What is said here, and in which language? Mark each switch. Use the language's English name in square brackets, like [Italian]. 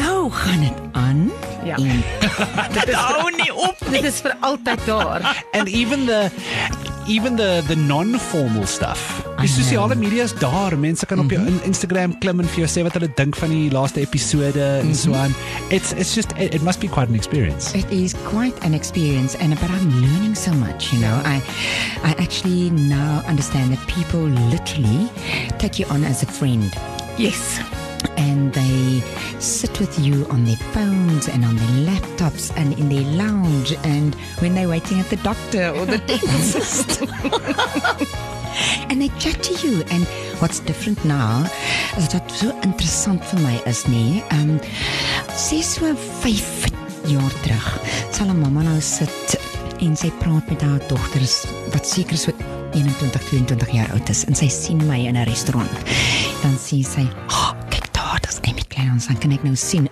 [Afrikaans] gaan dit aan. Ja. Dit hou nie op. Dit is vir altyd daar. [English] And even the non-formal stuff. [Afrikaans] Die sosiale media is daar. Mense kan op jou Instagram klim en vir jou sê wat hulle dink van die laaste episode en so aan. [English] It's just, it must be quite an experience. It is quite an experience, but I'm learning so much, you know. I actually now understand that people literally take you on as a friend. Yes. And they sit with you on their phones and on their laptops and in their lounge and when they're waiting at the doctor or the dentist. And they chat to you. And what's different now is that so interesting for me is nie. [Afrikaans] Sê so 5 jaar terug sal 'n mamma nou sit en sy praat met haar dogters wat seker so 21, 22 jaar oud is en sy sien my in 'n restaurant. Dan sê sy, dis Amy Kleinans, dan kan ek nou sien.